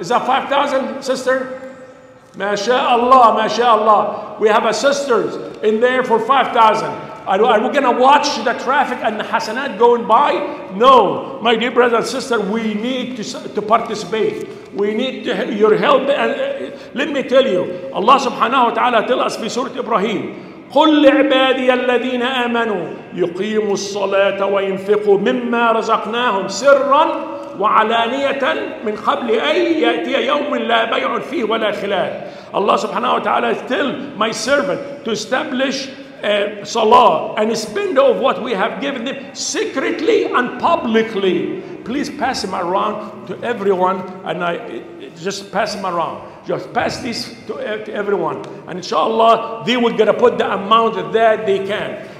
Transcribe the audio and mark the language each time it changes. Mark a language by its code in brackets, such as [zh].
[en] Is that 5,000, sister? MashaAllah, MashaAllah. We have a sister in there for 5,000. Are we going to watch the traffic and the hasanat going by? No. My dear brother and sister, we need to participate. We need your help. And let me tell you, Allah subhanahu wa ta'ala tell us in Surah Ibrahim, [ar] قُلْ لِعْبَادِيَ الَّذِينَ آمَنُوا يُقِيمُوا الصَّلَاةَ وَيُنْفِقُوا مِمَّا رَزَقْنَاهُمْ سِرًّا وَعَلَانِيَةً مِنْ قَبْلِ أَنْ يَأْتِيَ يَوْمٍ لَا بَيْعٌ فِيهِ وَلَا خِلَالٍ. [en] Allah subhanahu wa ta'ala tell my servant to establish salah and spend of what we have given them secretly and publicly. Please pass them around to everyone, and I just pass them around. Just pass this to everyone, and inshallah they will get to put the amount that they can.